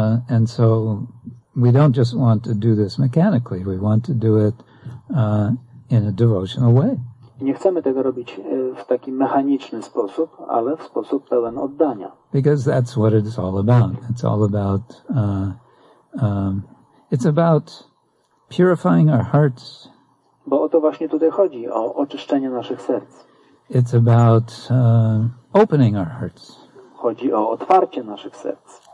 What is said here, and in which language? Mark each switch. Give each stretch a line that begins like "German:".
English: And so we don't just want to do this mechanically, we want to do it in a devotional way.
Polish: Nie chcemy tego robić w taki mechaniczny sposób, ale w sposób pełen oddania.
English: Because that's what it's all about. It's all about it's about purifying our hearts.
Polish: Bo o to właśnie tutaj chodzi, o oczyszczenie naszych serc.
English: It's about opening our hearts.
Polish: Chodzi o otwarcie naszych serc.